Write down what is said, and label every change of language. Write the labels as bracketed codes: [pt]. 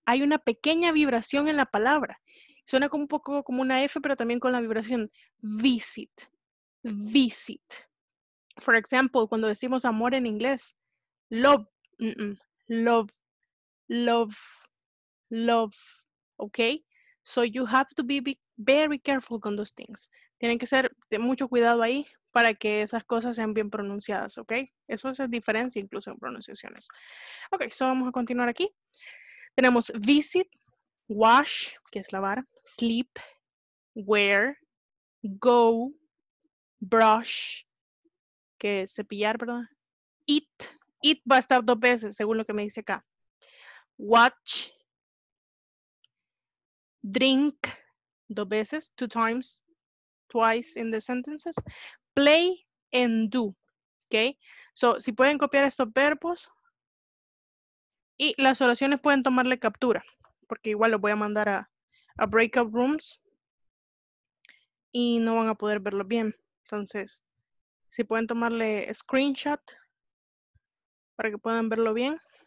[es] Hay una pequeña vibración en la palabra. Suena como un poco como una F, pero también con la vibración. Visit, visit. [en] For example, [es] cuando decimos amor en inglés, love, love, love, love, ¿ok? [en] So you have to be very careful [es] con [en] those things. [es] Tienen que ser de mucho cuidado ahí para que esas cosas sean bien pronunciadas, ¿ok? Eso hace diferencia incluso en pronunciaciones. Ok, so vamos a continuar aquí. Tenemos visit, wash, que es lavar, sleep, wear, go, brush, que es cepillar, ¿verdad? Eat, eat va a estar dos veces según lo que me dice acá. [en] Watch, drink, [es] dos veces, [en] two times, twice in the sentences. Play and do, ¿ok? [es] So, si pueden copiar estos verbos y las oraciones pueden tomarle captura, porque igual los voy a mandar a breakout rooms y no van a poder verlo bien. Entonces, si pueden tomarle screenshot para que puedan verlo bien.